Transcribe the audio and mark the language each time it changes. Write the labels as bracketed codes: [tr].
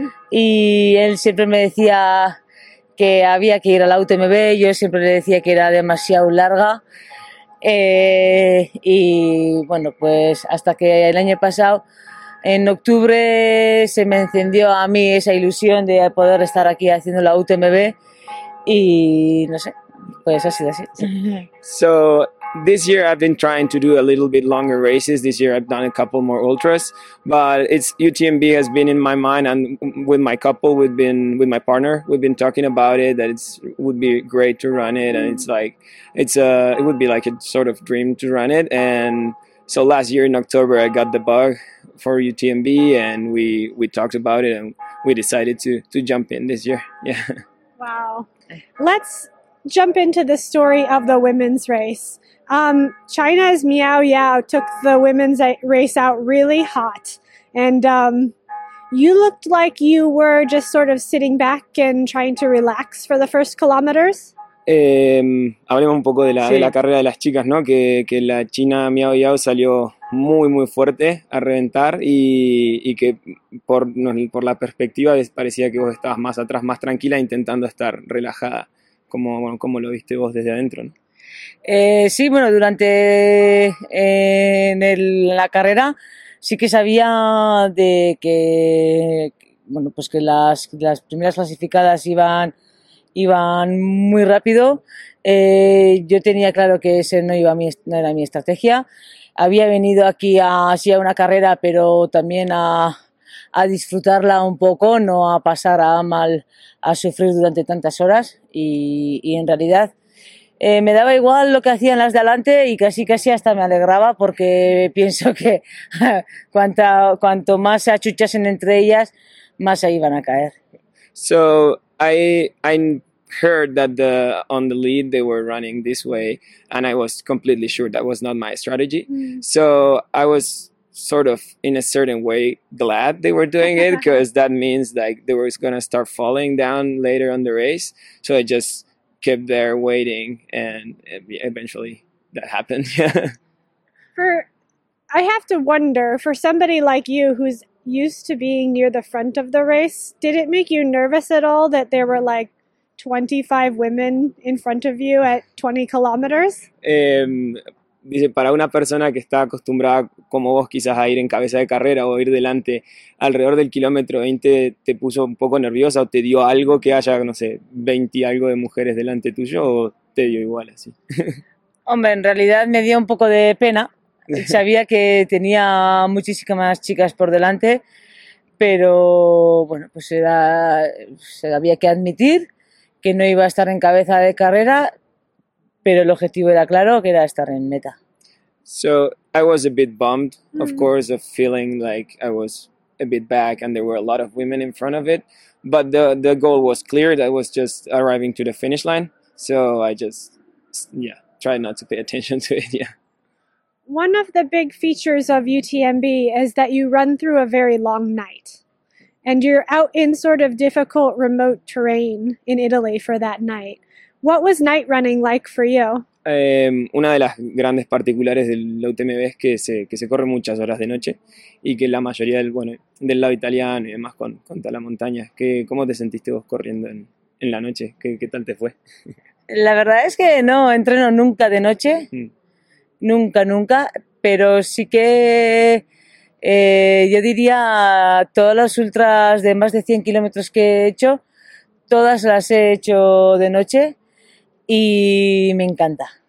[es] Y él siempre me decía que había que ir a la UTMB, yo siempre le decía que era demasiado larga. Y bueno, pues hasta que el año pasado, en octubre, se me encendió a mí esa ilusión de poder estar aquí haciendo la UTMB y no sé. Pues así, así. [en] So this year I've been trying to do a little bit longer races. This year I've done a couple more ultras, but it's UTMB has been in my mind, and with my partner we've been talking about it, that it would be great to run it. And it would be like a sort of dream to run it. And so last year in October I got the bug for UTMB, and we talked about it, and we decided to jump in this year. Yeah. Wow. Let's jump into the story of the women's race. China's Miao Yao took the women's race out really hot. And you looked like you were just sort of sitting back and trying to relax for the first kilometers. [es] Hablemos un poco de la carrera de las chicas, ¿no? Que la China Miao Yao salió muy, muy fuerte a reventar y que por la perspectiva parecía que vos estabas más atrás, más tranquila, intentando estar relajada. ¿Cómo lo viste vos desde adentro, ¿no? Sí, bueno, durante la carrera sí que sabía de que, bueno, pues que las primeras clasificadas iban muy rápido. Yo tenía claro que ese no era mi estrategia. Había venido aquí a una carrera, pero también a disfrutarla un poco, no a pasar a sufrir durante tantas horas, y en realidad me daba igual lo que hacían las de adelante, y casi hasta me alegraba, porque pienso que cuanto más se achuchasen entre ellas, más se iban a caer. [en] So I heard that on the lead they were running this way, and I was completely sure that was not my strategy. So I was sort of in a certain way glad they were doing it, because that means like they were gonna start falling down later on the race. So I just kept there waiting, and eventually that happened. I have to wonder, for somebody like you who's used to being near the front of the race, did it make you nervous at all that there were like 25 women in front of you at 20 kilometers? Dice, para una persona que está acostumbrada como vos quizás a ir en cabeza de carrera o ir delante, alrededor del kilómetro 20 te puso un poco nerviosa, o te dio algo que haya, no sé, 20 y algo de mujeres delante tuyo, o te dio igual así. Hombre, en realidad me dio un poco de pena. Sabía que tenía muchísimas chicas por delante, pero bueno, pues había que admitir que no iba a estar en cabeza de carrera. Pero el objetivo era claro, que era estar en meta. So I was a bit bummed, of course, of feeling like I was a bit back and there were a lot of women in front of it. But the goal was clear, that was just arriving to the finish line. So I just, yeah, tried not to pay attention to it, yeah. One of the big features of UTMB is that you run through a very long night. And you're out in sort of difficult remote terrain in Italy for that night. What was night running like for you? [es] Una de las grandes particulares del UTMB es que se corre muchas horas de noche, y que la mayoría del lado italiano y demás con toda la montaña. ¿Cómo te sentiste vos corriendo en la noche? ¿Qué tal te fue? La verdad es que no entreno nunca de noche. nunca, nunca, pero sí que yo diría todas las ultras de más de 100 kilómetros que he hecho, todas las he hecho de noche y me encanta.